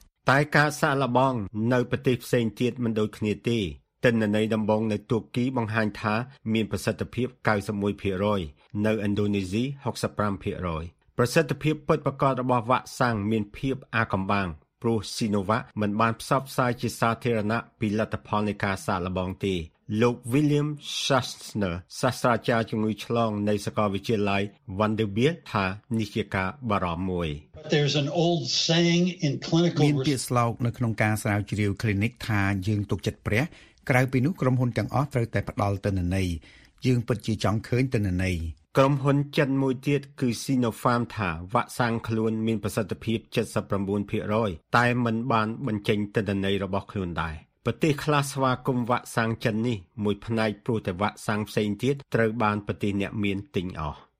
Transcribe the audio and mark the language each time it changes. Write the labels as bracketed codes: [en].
[km] តែការសាកល្បងនៅប្រទេសផ្សេងទៀតមិនដូចគ្នាទេទិន្នន័យដំបូងនៅទួគីបង្ហាញថាមានប្រសិទ្ធភាព 91% នៅឥណ្ឌូនេស៊ី 65% ប្រសិទ្ធភាពពិតប្រាកដរបស់វ៉ាក់សាំងមានភាពអាកំបាំងព្រោះ Sinovac មិនបានផ្សព្វផ្សាយជាសាធារណៈពីលទ្ធផលនៃការសាកល្បងទេលោក William Schastner សាស្ត្រាចារ្យជំងឺឆ្លងនៅសាកលវិទ្យាល័យ Vanderbilt ថានេះជាការបារម្ភមួយ [en] There's an old saying in clinical [km] មានពាក្យស្លោកនៅក្នុងការស្រាវជ្រាវ clinic ថាយើងទុកចិត្តព្រះក្រៅពីនោះក្រុមហ៊ុនទាំងអស់ត្រូវតែផ្ដល់ទិន្នន័យយើងពិតជាចង់ឃើញទិន្នន័យ ក្រុមហ៊ុនចិនមួយទៀតគឺ Sinopharm ថាវ៉ាក់សាំងខ្លួនមានប្រសិទ្ធភាព 79% តែมันបានបញ្ចេញទិន្នន័យរបស់ខ្លួនដែរប្រទេសខ្លះស្វាគមន៍វ៉ាក់សាំងចិននេះមួយផ្នែកព្រោះតែវ៉ាក់សាំងផ្សេងទៀតត្រូវបានប្រទេសអ្នកមានទិញអស់